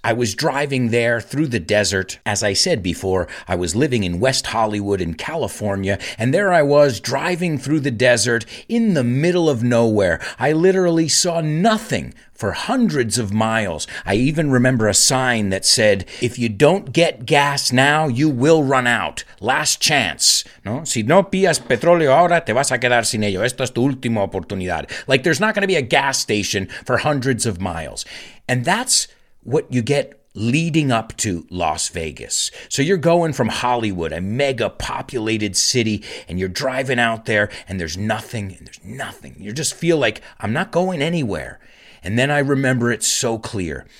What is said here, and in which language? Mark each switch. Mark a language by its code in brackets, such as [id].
[en] I was driving there through the desert. As I said before, I was living in West Hollywood in California, and there I was driving through the desert in the middle of nowhere. I literally saw nothing for hundreds of miles. I even remember a sign that said, if you don't get gas now, you will run out. Last chance. [es] No, si no pillas petróleo ahora, te vas a quedar sin ello. Esta es tu última oportunidad. [en] Like, there's not going to be a gas station for hundreds of miles. And that's what you get leading up to Las Vegas. So you're going from Hollywood, a mega populated city, and you're driving out there, and there's nothing. You just feel like, I'm not going anywhere. And then I remember it so clear.